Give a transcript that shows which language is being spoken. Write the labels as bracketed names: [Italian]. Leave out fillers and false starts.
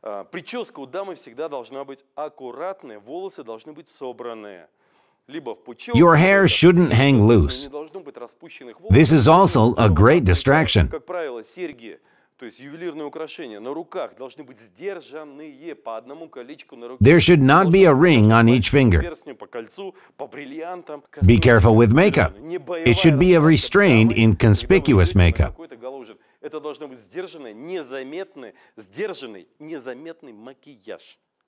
[Russian] Прическа у дамы всегда должна быть аккуратная, волосы должны быть собранные. [English] Your hair shouldn't hang loose. This is also a great distraction. [Russian] Как правило, серьги, то есть ювелирные украшения на руках должны быть сдержанные по одному колечку на руке. [English] There should not be a ring on each finger. [Russian] По кольцу, по бриллиантам. [English] Be careful with makeup. It should be a restrained, inconspicuous makeup. [Russian] Это должно быть сдержанный, незаметный макияж.